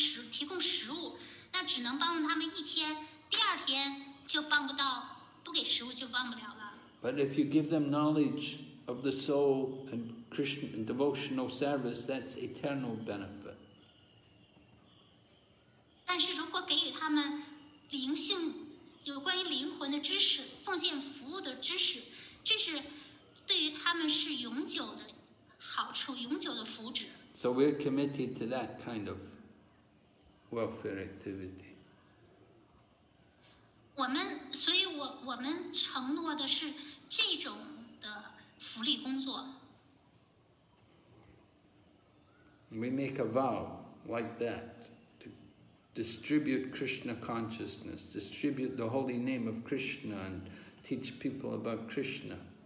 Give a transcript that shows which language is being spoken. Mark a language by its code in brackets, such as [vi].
[zh] 提供食物，那只能帮助他们一天，第二天就帮不到，不给食物就帮不了了。 [en] But if you give them knowledge of the soul and Krishna and devotional service, that's eternal benefit. [zh] 但是如果给予他们灵性有关于灵魂的知识，奉献服务的知识，这是对于他们是永久的好处，永久的福祉。 [en] So we're committed to that kind of welfare activity. [zh] 我们，所以我们承诺的是这种的福利工作。 [en] We make a vow like that to distribute Krishna consciousness, distribute the holy name of Krishna and teach people about Krishna.